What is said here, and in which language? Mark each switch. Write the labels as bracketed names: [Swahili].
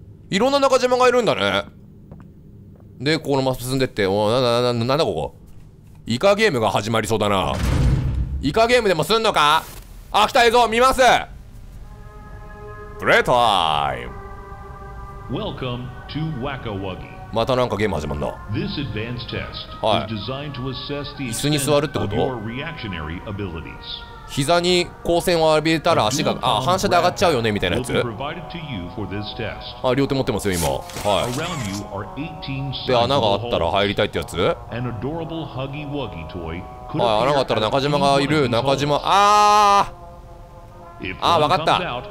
[Japanese] いろんな中島がいるんだね。で、このまま進んでって、おー、なんだここ。イカゲームが始まりそうだな。イカゲームでもすんのか。あ、来た、映像見ます。プレイタイム。 [English] Welcome to Wack-O-Wuggy。 [Japanese] またなんかゲーム始まるな。 [English] This advanced test is designed to assess the extent of your reactionary abilities. [Japanese] 膝に光線を浴びたら足が、あ、反射で上がっちゃうよねみたいなやつ。あ、両手持ってますよ今。はい。で、穴があったら入りたいってやつ。はい、穴があったら中島がいる。中島、あー、あー、わかった。